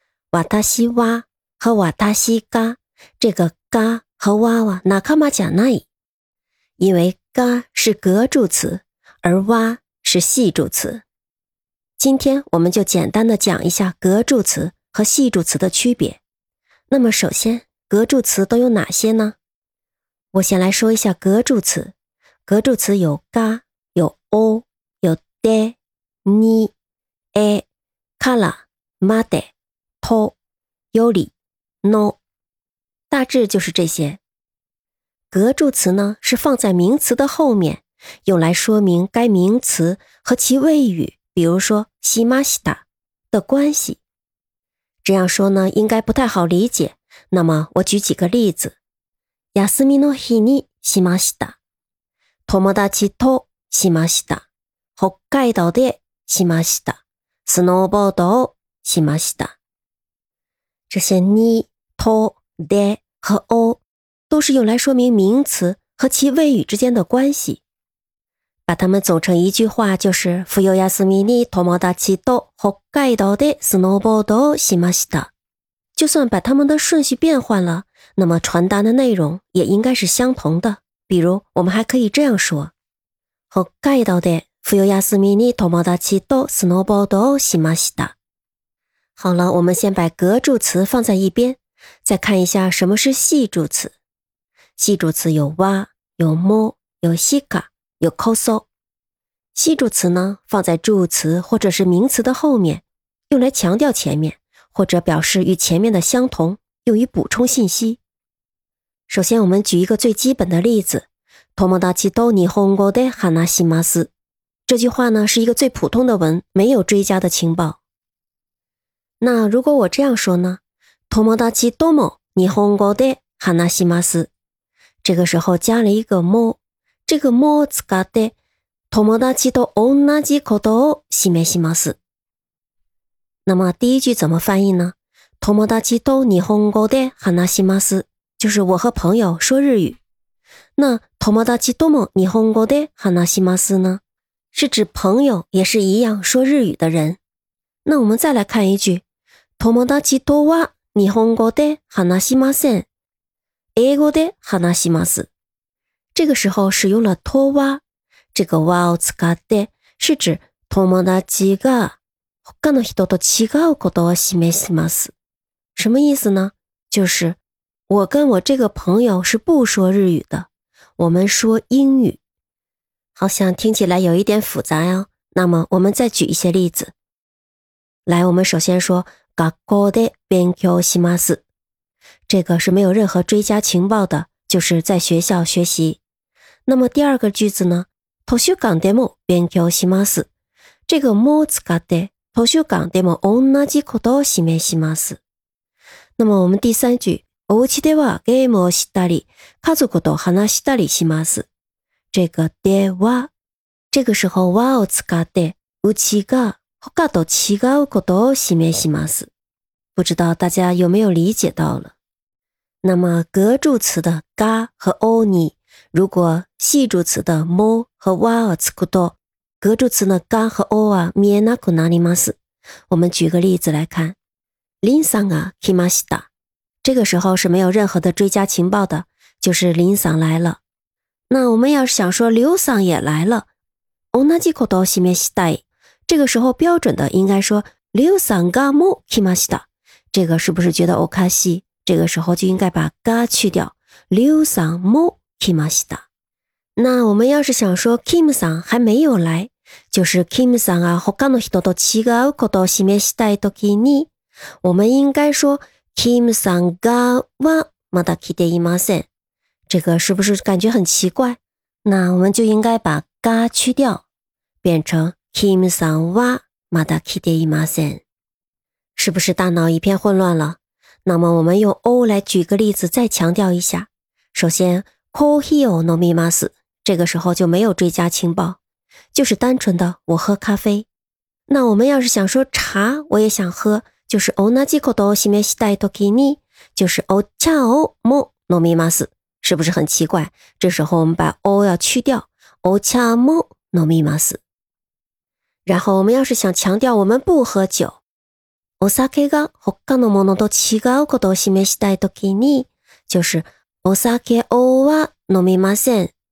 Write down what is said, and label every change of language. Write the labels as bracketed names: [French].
[Chinese] 瓦达西哇和瓦达西嘎，这个嘎和哇哇哪卡玛贾奈？因为嘎是格助词，而哇是系助词。今天我们就简单的讲一下格助词和系助词的区别。那么首先格助词都有哪些呢？我先来说一下格助词。格助词有嘎、有哦、有で、に、え、から、まで、と、より、の，大致就是这些。格助词呢是放在名词的后面，用来说明该名词和其谓语，比如说しました的关系。这样说呢应该不太好理解，那么我举几个例子。 [Japanese] 休みの日にしました。友達としました。北海道でしました。スノーボードをしました。 [Chinese] 这些に、と、で和お都是用来说明名词和其谓语之间的关系。把它们总成一句话就是 [Japanese] 冬休みに友達と北海道でスノーボードをしました。 [Chinese] 就算把它们的顺序变换了，那么传达的内容也应该是相同的。比如我们还可以这样说， [Japanese] 北海道で冬休みに友達とスノーボードをしました。 [Chinese] 好了，我们先把格助词放在一边，再看一下什么是系助词。系助词有哇、有も、有しか、有こそ。系助词呢放在助词或者是名词的后面，用来强调前面或者表示与前面的相同，用于补充信息。首先我们举一个最基本的例子， [Japanese] 友達と日本語で話します。 [Chinese] 这句话呢是一个最普通的文，没有追加的情报。那如果我这样说呢， [Japanese] 友達とも日本語で話します。 [Chinese] 这个时候加了一个 [Japanese] も，这个も使って友達と同じことを示します。 [Chinese] 那么第一句怎么翻译呢？ [Japanese] 友達と日本語で話します。 [Chinese] 就是我和朋友说日语。那 [Japanese] 友達とも日本語で話します [Chinese] 呢，是指朋友也是一样说日语的人。那我们再来看一句， [Japanese] 友達とは日本語で話しません，英語で話します。 [Chinese] 这个时候使用了 [Japanese] とは，这个はを使って是指友達が他の人と違うことを示します。 [Chinese] 什么意思呢？就是我跟我这个朋友是不说日语的，我们说英语。好像听起来有一点复杂呀，那么我们再举一些例子。来，我们首先说 [Japanese] 学校で勉強します。 [Chinese] 这个是没有任何追加情报的，就是在学校学习。那么第二个句子呢， [Japanese] 図書館でも勉強します。这个も使って図書館でも同じことを示します。 [Chinese] 那么我们第三句， [Japanese] お家ではゲームをしたり、家族と話したりします。这个では、这个时候はを使って、うちが他と違うことを示します。 [Chinese] 不知道大家有没有理解到了。那么格助词的 [Japanese] が和おに， [Chinese] 如果系助词的 [Japanese] も和わをつくと、格助词のが和おは見えなくなります。 [Chinese] 我们举个例子来看。 [Japanese] 林さんが来ました。 [Chinese] 这个时候是没有任何的追加情报的，就是林桑来了。那我们要是想说刘桑也来了， [Japanese] 同じことを示したい， [Chinese] 这个时候标准的应该说刘桑 [Japanese] がも来ました。 [Chinese] 这个是不是觉得おかしい？这个时候就应该把が去掉，刘桑 [Japanese] も来ました。 [Chinese] 那我们要是想说 Kim 桑还没有来，就是 Kim 桑啊 [Japanese] 他の人と違うことを示したいときに， [Chinese] 我们应该说Kim [Japanese] さんがはまだ来ていません。 [Chinese] 这个是不是感觉很奇怪？那我们就应该把が去掉，变成 Kim [Japanese] さんはまだ来ていません。 [Chinese] 是不是大脑一片混乱了？那么我们用 O 来举个例子，再强调一下。 [Japanese] 首先，コーヒーを飲みます。 [Chinese] 这个时候就没有追加情报，就是单纯的我喝咖啡。那我们要是想说茶，我也想喝。就是 [Japanese] 同じことを示したいときに， [Chinese] 就是 [Japanese] お茶をも飲みます， [Chinese] 是不是很奇怪？这时候我们把 O 要去掉 [Japanese] お茶も飲みます。 [Chinese] 然后我们要是想强调我们不喝酒。 [Japanese] お酒が他のものと違うことを示したいときに、 [Chinese] 就是 [Japanese] お酒をは飲みません。